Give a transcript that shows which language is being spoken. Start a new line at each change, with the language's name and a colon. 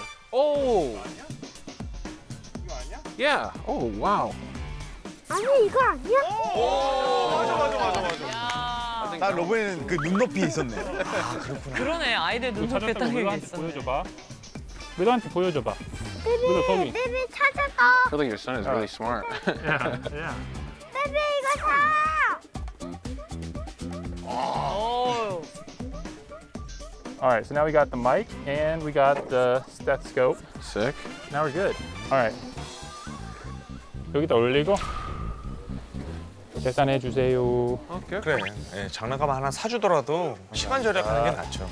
Korean: 오! 이거 아니야? Yeah, 오, 와우. 아니, 이거 아니야? 오! 맞아. 나 로엔 그 눈높이 있었네. 아, 그렇구나. 그러네, 아이들 눈높이 딱 있었네. 보여줘봐. 루도한테 보여줘봐. 베베 찾았어.
English: I feel like your son is really smart. Yeah.
Korean: 베베 이거 사. 오.
English: All right. So now we got the mic and we got the stethoscope. Sick. Now we're good. All right.
Korean: 여기다 올리고 계산해 주세요. 그래. 예, 장난감 하나 사주더라도 시간 절약하는 게 낫죠.